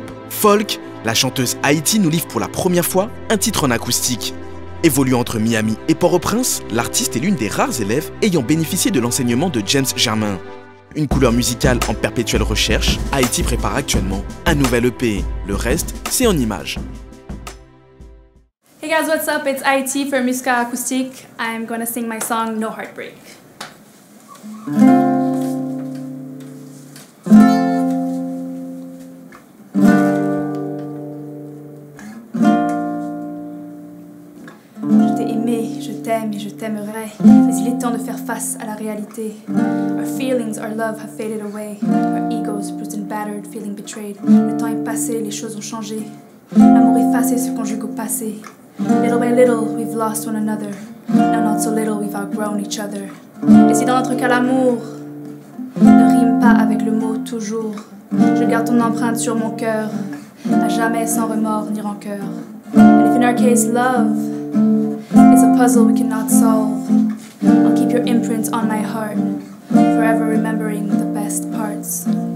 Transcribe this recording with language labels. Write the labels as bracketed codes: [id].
[fr] folk, la chanteuse Ayiiti nous livre pour la première fois un titre en acoustique. Évoluant entre Miami et Port-au-Prince, l'artiste est l'une des rares élèves ayant bénéficié de l'enseignement de James Germain. Une couleur musicale en perpétuelle recherche, Ayiiti prépare actuellement un nouvel EP. Le reste, c'est en images. [en] Hey guys, what's up? It's Ayiiti for MuskAkoustik. I'm gonna sing my song No Heartbreak. [fr] Je t'ai aimé, je t'aime et je t'aimerai. Mais il est temps de faire face à la réalité. [en] Our feelings, our love have faded away. Our egos, bruised and battered, feeling betrayed. [fr] Le temps est passé, les choses ont changé. L'amour effacé se conjugue au passé. [en] Little by little, we've lost one another. Now not so little, we've outgrown each other. [fr] Et si dans notre cas l'amour ne rime pas avec le mot toujours, je garde ton empreinte sur mon cœur, à jamais sans remords ni rancœur. [en] And if in our case love is a puzzle we cannot solve, I'll keep your imprint on my heart, forever remembering the best parts.